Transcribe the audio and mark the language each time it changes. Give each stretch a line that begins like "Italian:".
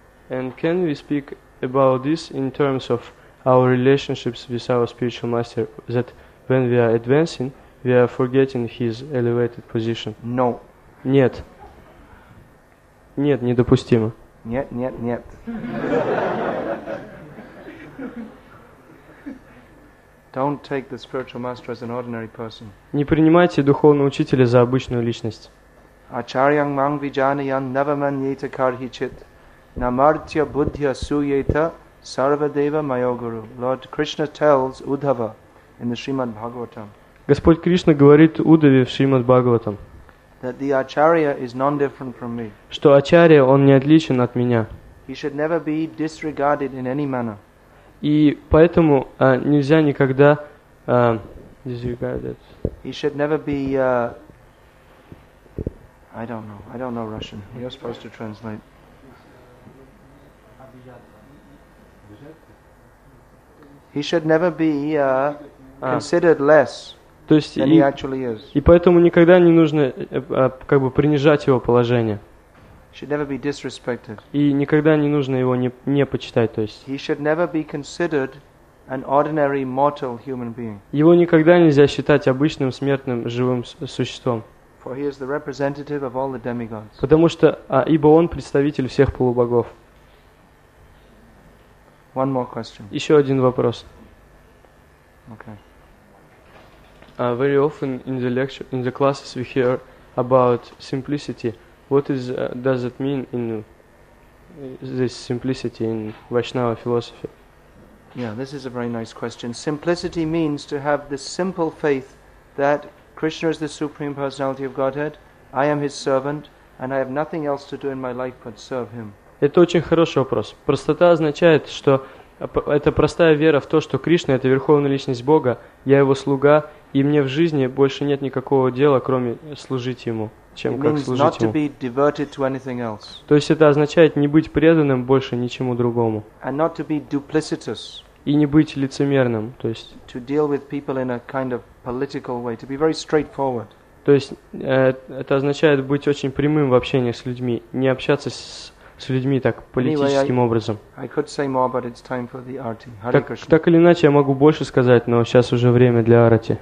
English: And can we speak about this in terms of our relationships with our spiritual master, that when we are advancing, we are forgetting his elevated position? No.
Russian: Нет. Нет, недопустимо. Нет, нет, нет.
English: Don't take the spiritual master as an ordinary person.
Russian: Не принимайте духовного учителя за обычную личность.
Sanskrit: Acharyam mam vijaniyam navamanyeta karhichit namartya buddhya suyeta sarvadeva mayoguru.
English: Lord Krishna tells Uddhava in the Srimad Bhagavatam.
Russian: Господь Кришна говорит Удаве в Шримад Бхагаватам.
English: That the acharya is non-different from me.
Russian: Что ачарья, он не отличен от меня.
English: He should never be disregarded in any manner.
Russian: И поэтому нельзя никогда
English: disregarded. He should never be I don't know Russian. You're supposed to translate. He should never be considered less.
Russian: То есть и поэтому никогда не нужно как бы принижать его положение.
English: Should never be disrespected.
Russian: И никогда не нужно его не почитать, то есть.
English: He should never be considered an ordinary mortal human being.
Russian: Его никогда нельзя считать обычным смертным живым существом.
English: For he is the representative of all the demigods.
Russian: Потому что ибо он представитель всех полубогов.
English: One more question.
Russian: Еще один вопрос.
English: Okay. very often in the lecture, in the classes, we hear about simplicity. What is does it mean in this simplicity in Vaishnava philosophy? Yeah, this is a very nice question. Simplicity means to have the simple faith that Krishna is the Supreme Personality of Godhead, I am His servant, and I have nothing else to do in my life but serve Him.
Russian: Это очень хороший вопрос. Простота означает, что это простая вера в то, что Кришна – это Верховная Личность Бога, я Его слуга, и мне в жизни больше нет никакого дела, кроме служить Ему, чем как служить Ему.
English: It means not to be devoted to anything else.
Russian: То есть это означает не быть преданным больше ничему другому.
English: And not to be duplicitous.
Russian: И не быть лицемерным. То есть,
English: to deal with people in a kind of political way, to be very straightforward.
Russian: То есть это означает быть очень прямым в общении с людьми, не общаться с людьми так политическим
English: anyway,
Russian: образом.
English: I could say more, but it's time for the arati.
Russian: Так или иначе, я могу больше сказать, но сейчас уже время для арати.